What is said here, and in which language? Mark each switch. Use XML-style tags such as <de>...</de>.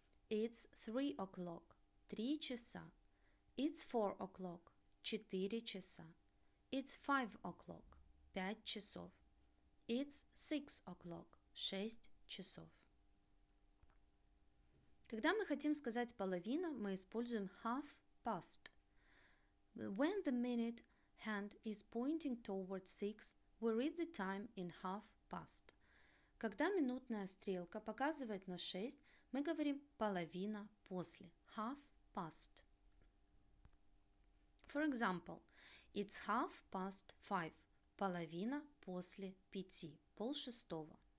<en>It's 3 o'clock.</en> <ru>3 часа.</ru> <en>It's 4 o'clock.</en> <ru>4 часа.</ru> <en>It's 5 o'clock.</en> <ru>5 часов.</ru> <en>It's 6 o'clock.</en> <ru>6 часов. Когда мы хотим сказать половина, мы используем half past.</ru> <en>When the minute hand is pointing toward 6, we read the time in half past.</en> <ru>Когда минутная стрелка показывает на 6, мы говорим половина после.</ru> <en>Half past. For example, it's half past 5.</en> <ru>Половина после 5, полшестого.</ru>